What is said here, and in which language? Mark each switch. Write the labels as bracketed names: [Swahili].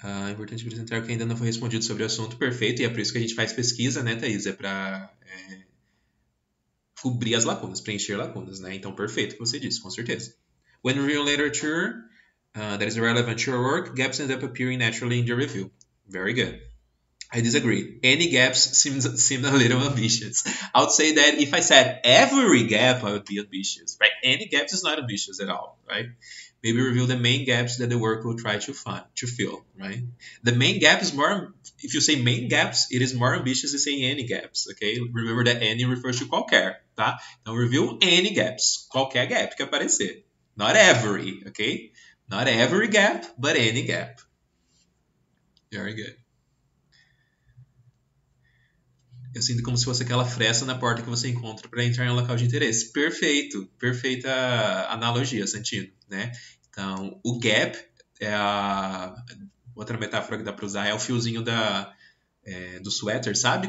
[Portuguese] Importante apresentar que ainda não foi respondido sobre o assunto. Perfeito, e é por isso que a gente faz pesquisa, né, Thaís? É para cobrir as lacunas, preencher lacunas, né? Então, perfeito o que você disse, com certeza. [English] When reviewing literature that is relevant to your work, gaps end up appearing naturally in the review. Very good. I disagree. Any gaps seem a little ambitious. I would say that if I said every gap, I would be ambitious, right? Any gaps is not ambitious at all, right? Maybe reveal the main gaps that the work will try to find, to fill, right? The main gap is more, if you say main gaps, it is more ambitious than saying any gaps, okay? Remember that any refers to qualquer, tá? [Portuguese] Então, [English] review any gaps, [Portuguese] qualquer gap que aparecer. [English] Not every, okay? Not every gap, but any gap. Very good. [Portuguese] Eu sinto como se fosse aquela fresta na porta que você encontra para entrar em um local de interesse. Perfeito, perfeita analogia, sentido, né? Então, o gap é a outra metáfora que dá para usar é o fiozinho do suéter, sabe?